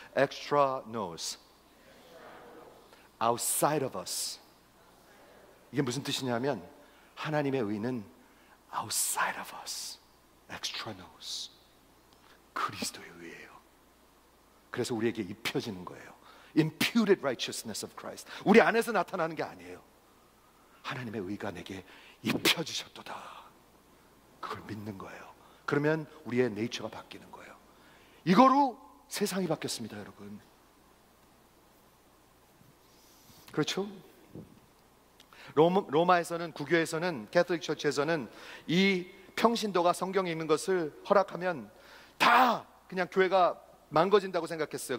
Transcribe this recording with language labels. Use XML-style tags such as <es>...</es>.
<en>Extra knows. Outside of us.</en> <ko>이게 무슨 뜻이냐면 하나님의 의는 outside of us, extra knows, 그리스도의 의예요. 그래서 우리에게 입혀지는 거예요.</ko> <en>Imputed righteousness of Christ.</en> <ko>우리 안에서 나타나는 게 아니에요. 하나님의 의가 내게 입혀지셨도다. 그걸 믿는 거예요. 그러면 우리의 네이처가 바뀌는 거예요. 이거로 세상이 바뀌었습니다, 여러분. 그렇죠? 로마에서는, 국교에서는, 캐톨릭 처치에서는 이 평신도가 성경 읽는 것을 허락하면 다 그냥 교회가 망거진다고 생각했어요.</ko>